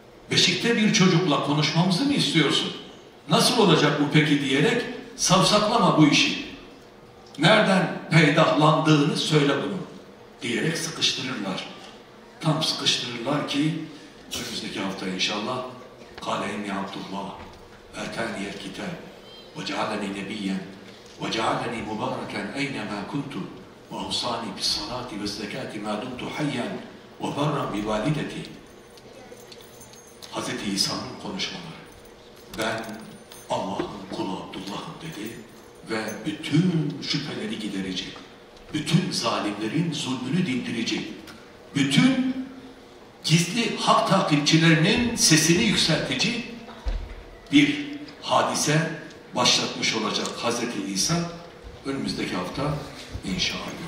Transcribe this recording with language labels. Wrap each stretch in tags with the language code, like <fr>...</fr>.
<tr>Beşikte bir çocukla konuşmamızı mı istiyorsun? Nasıl olacak bu peki diyerek savsaklama bu işi. Nereden peydahlandığını söyle bunu. Diyerek sıkıştırırlar. Tam sıkıştırırlar ki önümüzdeki hafta inşallah</tr> <ar>قال إني عبد الله آتاني الكتاب وجعلني نبيا وجعلني مباركا أينما كنت وأوصاني بالصلاة والزكاة ما دمت حيا وبرا بوالدتي.</ar> <tr>Hazreti İsa'nın konuşmaları. Ben Allah'ın kulu Abdullah'ım dedi ve bütün şüpheleri giderecek, bütün zalimlerin zulmünü dindirecek, bütün gizli hak takipçilerinin sesini yükseltici bir hadise başlatmış olacak Hazreti İsa önümüzdeki hafta inşallah.</tr>